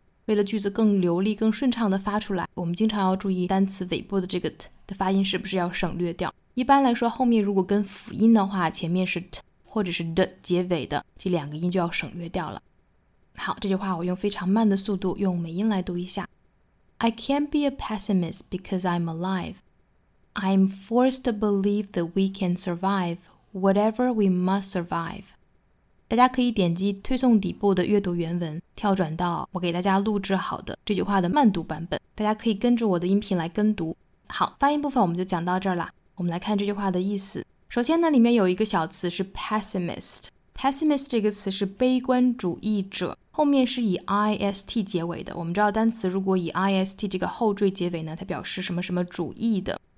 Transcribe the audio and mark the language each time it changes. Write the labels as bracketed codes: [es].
[zh] 为了句子更流利、更顺畅的发出来，我们经常要注意单词尾部的这个 t 的发音是不是要省略掉。一般来说，后面如果跟辅音的话，前面是 t 或者是 d 结尾的，这两个音就要省略掉了。好，这句话我用非常慢的速度用美音来读一下。 [en] I can't be a pessimist because I'm alive. I'm forced to believe that we can survive. Whatever we must survive. [zh] 大家可以点击推送底部的阅读原文，跳转到我给大家录制好的这句话的慢读版本，大家可以跟着我的音频来跟读。好，发音部分我们就讲到这儿了。我们来看这句话的意思。首先呢，里面有一个小词是 pessimist。pessimist 这个词是悲观主义者，后面是以 ist 结尾的。我们知道单词如果以 ist 这个后缀结尾呢，它表示什么什么主义的。